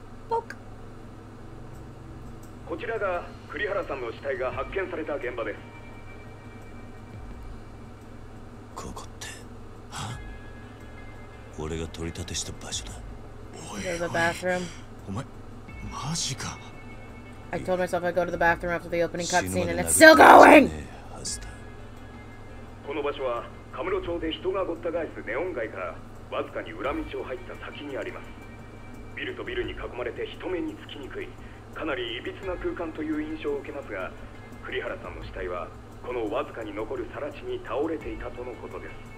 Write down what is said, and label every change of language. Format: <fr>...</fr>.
<ja>僕。こちらが栗原さんの死体が発見された現場です。ここって。俺が取り立てした場所だ。</ja> <en>There's a bathroom.</en> <ja>お前、マジか。</ja> <en>I told myself I'd go to the bathroom after the opening cutscene and it's still going!</en> <ja>この場所は、カムロ町で人がごった返すネオン街から、わずかに裏道を入った先にあります。ビルとビルに囲まれて人目につきにくい、かなりいびつな空間という印象を受けますが、栗原さんの死体は、このわずかに残る更地に倒れていたとのことです。</ja>